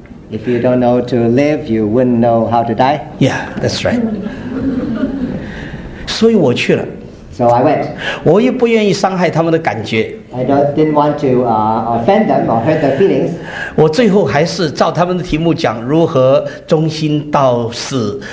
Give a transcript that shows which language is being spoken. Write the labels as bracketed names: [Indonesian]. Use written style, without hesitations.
[English] If you don't know to live, you wouldn't know how to die. Yeah, that's right. [Chinese] 所以我去了。 [English] So I went. [Chinese] 我也不愿意伤害他们的感觉。 [English] I didn't want to offend them or hurt their feelings. [Chinese] 我最后还是照他们的题目讲如何忠心到死。